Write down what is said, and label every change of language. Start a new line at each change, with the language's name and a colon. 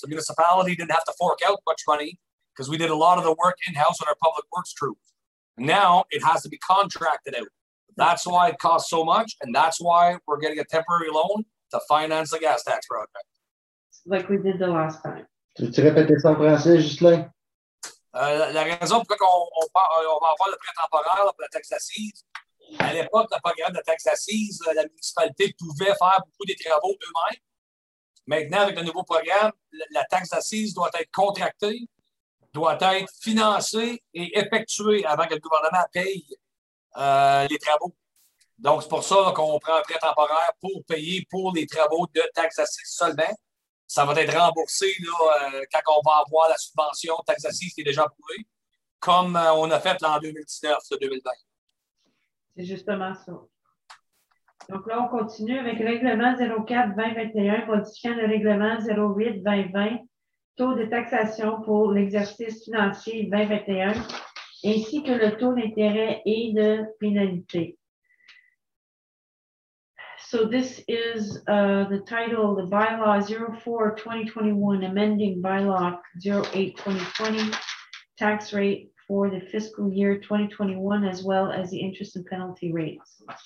English: The municipality didn't have to fork out much money because we did a lot of the work in-house with our public works crew. Now it has to be contracted out. That's why it costs so much. And that's why we're getting a temporary loan to finance the gas tax project. Like we did the last time.
French: Veux-tu répéter ça en français, Justin? La raison pour laquelle on va avoir le prêt temporaire pour la taxe assise, à l'époque, le programme de la taxe assise, la municipalité pouvait faire beaucoup des travaux eux-mêmes. Maintenant, avec le nouveau programme, la taxe assise doit être contractée, doit être financée et effectuée avant que le gouvernement paye les travaux. Donc, c'est pour ça là, qu'on prend un prêt temporaire pour payer pour les travaux de taxes assises seulement. Ça va être remboursé là, quand on va avoir la subvention taxes assises qui est déjà approuvée, comme on a fait là, en 2019, 2020. C'est justement ça. Donc là, on continue avec règlement 04-2021, modifiant le règlement 08-2020, taux de taxation pour l'exercice financier 2021, ainsi que le taux d'intérêt et de pénalité.
English: So this is the title, the bylaw 04-2021, amending bylaw 08-2020, tax rate for the fiscal year 2021, as well as the interest and penalty rates.